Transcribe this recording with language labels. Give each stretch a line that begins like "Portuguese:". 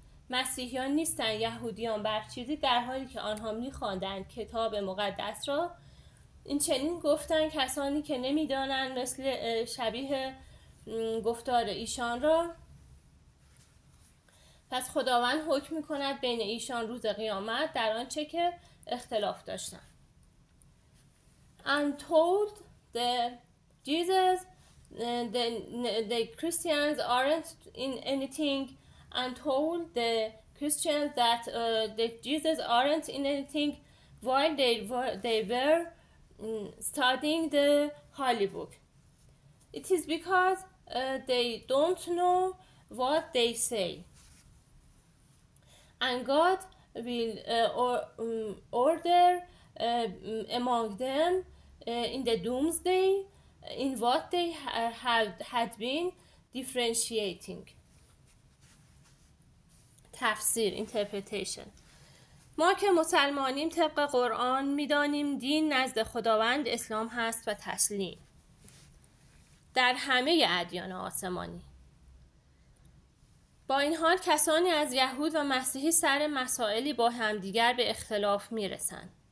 Persian: مسیحیان نیستن یهودیان بر چیزی در حالی که آنها می‌خواندند کتاب مقدس را این چنین گفتند کسانی که نمی‌دانند مثل شبیه گفتار ایشان را پس خداوند حکم می‌کند بین ایشان روز قیامت در آنچه که اختلاف داشتند.
English: And told the Jesus, the Christians aren't in anything, and told the Christians that the Jesus aren't in anything while they were studying the Holy Book. It is because they don't know what they say. And God will order among them in the doomsday in what they had been differentiating.
Persian: تفسیر interpretation. ما که مسلمانیم طبق قرآن می‌دانیم دین نزد خداوند اسلام هست و تسلیم در همه ادیان آسمانی. با این حال کسانی از یهود و مسیحی سر مسائلی با همدیگر به اختلاف می‌رسند.